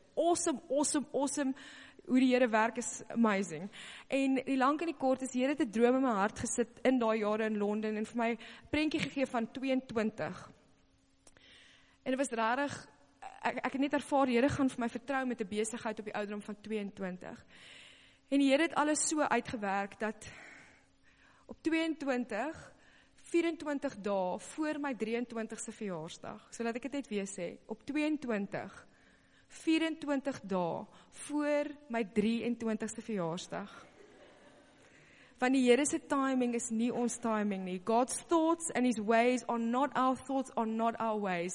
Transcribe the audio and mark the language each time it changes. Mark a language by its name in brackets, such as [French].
[Afrikaans] Awesome, hoe die Here werk is amazing. En die lank en die kort is, Here het 'n droom in my hart gesit in daai jare in Londen en vir my prentjie gegee van 22. En dit was rarig, ek het net ervaar, die Here gaan vir my vertrou met 'n besigheid op die ouderdom van 22. En die Here het alles so uitgewerk dat op 22, 24 dae voor my 23ste verjaarsdag, so laat ek het net weer sê, op 22, 24 dae voor my 23ste verjaarsdag. Want die Here se timing is nie ons timing nie. [English] God's thoughts and his ways are not our thoughts, are not our ways.